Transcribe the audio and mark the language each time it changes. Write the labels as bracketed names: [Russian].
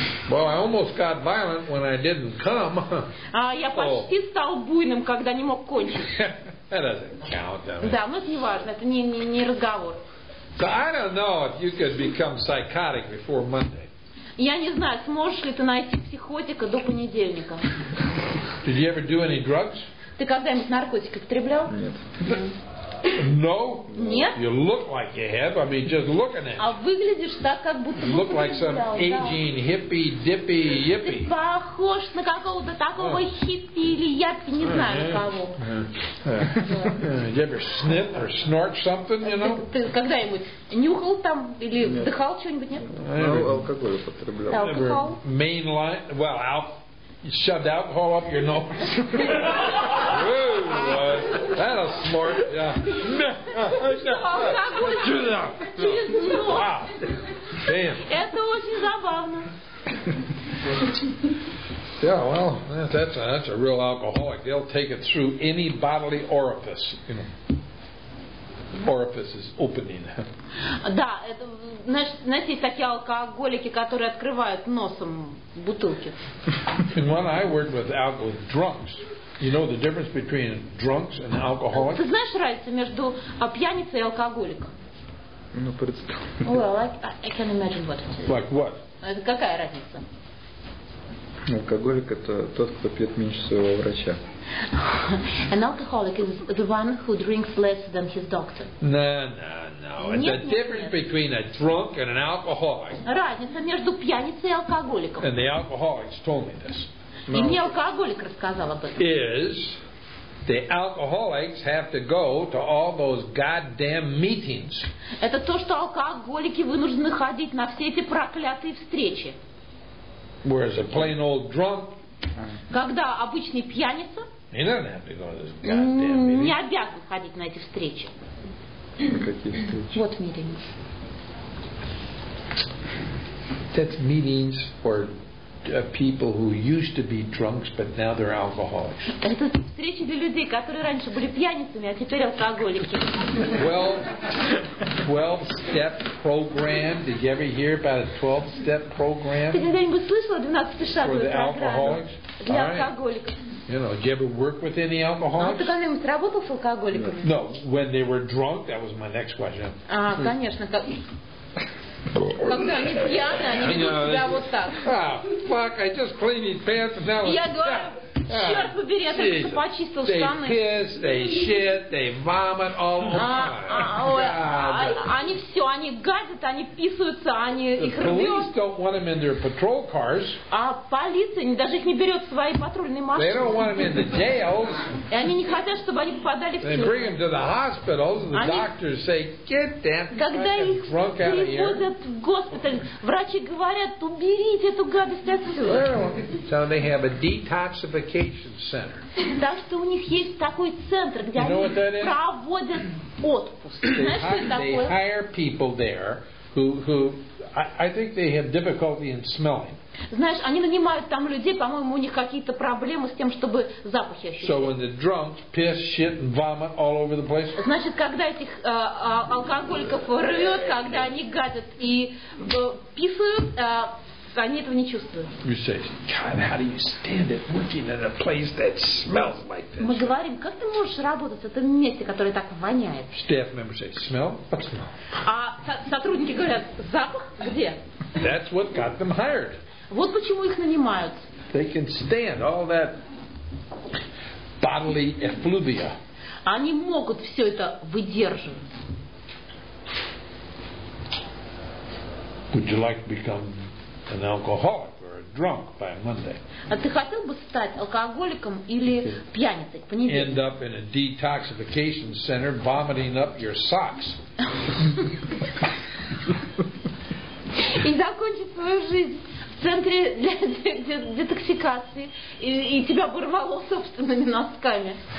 [English] Well, I almost got violent when I didn't come. [Russian] Я почти стал буйным, когда не мог кончить. [English] That doesn't count, does it? [Russian] Да, но это не важно, это не разговор. [English] So I don't know if you could become psychotic before Monday. [Russian] Я не знаю, сможешь ли ты найти психотика до понедельника. [English] Did you ever do any drugs? [Russian] Ты когда-нибудь наркотики употреблял? Нет. [English] No. [Russian] Нет. [English] You look like you have. I mean, just looking at. [Russian] А выглядишь так, как будто. [English] You look like some aging hippie, dippy, yippie. [Russian] Ты похож на какого-то такого хиппи или яппи, не знаю на кого. [English] You ever sniff or snort something, you know? [Russian] Ты когда-нибудь нюхал там или вдыхал что-нибудь, нет? Алкоголь употреблял. Алкоголь. [English] Mainline, well, You shoved alcohol up your nose. That'll smart. Yeah. Wow. Damn. [Russian] Это очень забавно. [English] Yeah, well, that's a real alcoholic. They'll take it through any bodily orifice. You know. Orifice is opening. [Russian] Да, это знаете, есть такие алкоголики, которые открывают носом бутылки. [English] When I worked with alcoholics, drunks, you know the difference between drunks and alcoholics? [Russian] Ты знаешь разницу между пьяницей и алкоголиком? Ну, представь. [English] Well, I can imagine what it is. Like what? [Russian] Это какая разница? Алкоголик это тот, кто пьет меньше своего врача. [English] An alcoholic is the one who drinks less than his doctor. No. It's the difference between a drunk and an alcoholic. [Russian] Разница между пьяницей и алкоголиком. [English] And the alcoholics told me this. [Russian] И мне алкоголик рассказал об этом. [English] Is the alcoholics have to go to all those goddamn meetings? [Russian] Это то, что алкоголики вынуждены ходить на все эти проклятые встречи. [English] Whereas a plain old drunk. [Russian] Когда обычный пьяница. [English] He doesn't have to go to this goddamn meeting. [Russian] Не обязан ходить на эти встречи. Какие встречи? [English] What meetings? That's meetings for people who used to be drunks, but now they're alcoholics. [Russian] Это встречи для людей, которые раньше были пьяницами, а теперь алкоголики. [English] Well, 12-step program. Did you ever hear about a 12-step program? [Russian] Ты когда-нибудь слышал о 12-шаговой программе? [English] For the alcoholics. [Russian] Для алкоголиков. [English] You know, did you ever work with any alcoholics? [Russian] А ты когда-нибудь работал с алкоголиками? [English] No, when they were drunk, that was my next question. [Russian] А, конечно, как. Когда они пьяны, они ведут себя вот так. [English] Fuck, I just cleaned his pants and now. [Russian] Я говорю, черт побери, я только что почистил штаны. [English] They piss, they shit, they vomit all the time. [Russian] Они все, они гадят, они писаются, они их рвет. [English] The police don't want them in their patrol cars. [Russian] А полиция даже их не берет в свои патрульные машины. [English] They don't want them in the jails. [Russian] И они не хотят, чтобы они попадали в тюрьму. [English] They bring them to the hospitals and the doctors say, get them. [Russian] Когда их приводят в госпиталь, врачи говорят, уберите эту гадость отсюда. [English] So they have a detoxification center. [Russian] Так что у них есть такой центр, где они проводят отпуск. [English] They, they hire people there who I think they have difficulty in smelling. [Russian] Знаешь, они нанимают там людей, по-моему, у них какие-то проблемы с тем, чтобы запахи ощущали. [English] So when the drunks piss, shit, and vomit all over the place. [Russian] Значит, когда этих алкоголиков рвет, когда они гадят и писают, они этого не чувствуют. [English] You say, God, how do you stand it working in a place that smells like this? [Russian] Мы говорим, как ты можешь работать в этом месте, которое так воняет? [English] Staff members say, smell? What smell? [Russian] А сотрудники говорят, запах где? [English] That's what got them hired. [Russian] Вот почему их нанимают. [English] They can stand all that bodily effluvia. [Russian] Они могут все это выдерживать. [English] Would you like to become an alcoholic or a drunk by Monday? [Russian] А ты хотел бы стать алкоголиком или пьяницей в понедельник? [English] End up in a detoxification center, vomiting up your socks. [Russian] и закончить свою жизнь в центре детоксикации, и тебя бы рвало собственными носками.